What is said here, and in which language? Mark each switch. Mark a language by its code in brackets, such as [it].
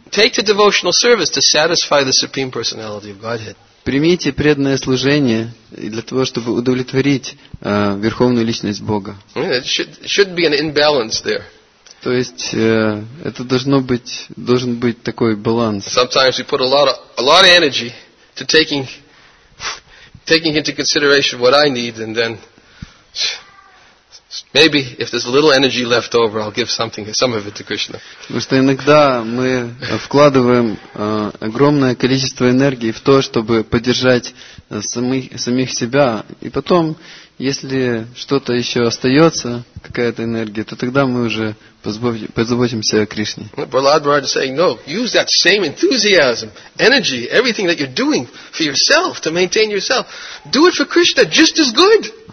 [en] Take to devotional service to satisfy the supreme personality of Godhead. [ru] Примите преданное служение для того, чтобы удовлетворить верховную личность Бога. [en] It should be an imbalance there. [ru] То есть это должен быть такой баланс. [en] Sometimes we put a lot of energy to taking into consideration what I need, and then Maybe if there's a little energy left over, I'll give something, some of it to Krishna. [ru] Потому что иногда мы вкладываем огромное количество энергии в то, чтобы поддержать самих себя, и потом, если что-то еще остается, какая-то энергия, то тогда мы уже позаботимся о Кришне. [en] Prahlad Maharaj is saying, no, use that same enthusiasm, energy, everything that you're doing for yourself, to maintain yourself. Do it for Krishna, just as good.